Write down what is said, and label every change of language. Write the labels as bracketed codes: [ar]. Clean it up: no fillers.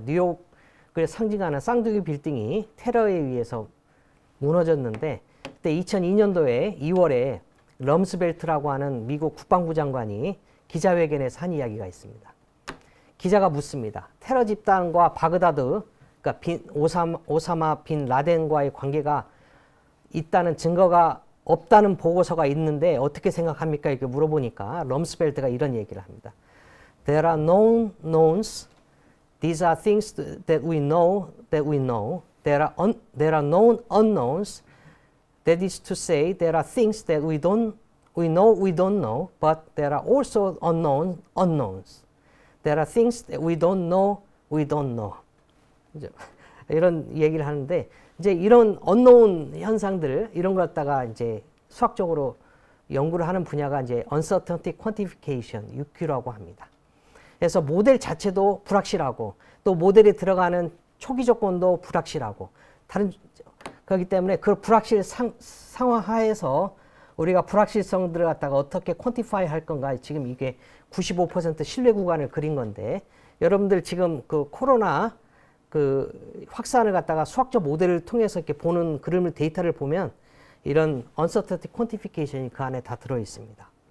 [ko] 뉴욕을 상징하는 쌍둥이 빌딩이 테러에 의해서 무너졌는데 그때 2002년도에 2월에 럼스벨트라고 하는 미국 국방부 장관이 기자회견에서 한 이야기가 있습니다. 기자가 묻습니다. 테러 집단과 바그다드, 그러니까 오사마 빈 라덴과의 관계가 있다는 증거가 없다는 보고서가 있는데 어떻게 생각합니까? 이렇게 물어보니까 럼스벨트가 이런 얘기를 합니다. [en] There are known knowns. These are things that we know that we know. There are known unknowns. That is to say, there are things that we know we don't know, but there are also unknown unknowns. There are things that we don't know we don't know. [ko] 이런 얘기를 하는데 이제 이런 언노운 현상들을 이런 걸 갖다가 이제 수학적으로 연구를 하는 분야가 이제 uncertainty quantification, UQ라고 합니다. 그래서 모델 자체도 불확실하고 또 모델에 들어가는 초기 조건도 불확실하고 다른 그렇기 때문에 그 불확실 상황하에서 우리가 불확실성들을 갖다가 어떻게 quantify 할 건가 지금 이게 95% 신뢰 구간을 그린 건데 여러분들 지금 그 코로나 그 확산을 갖다가 수학적 모델을 통해서 이렇게 보는 그림을 데이터를 보면 이런 uncertainty quantification이 그 안에 다 들어 있습니다.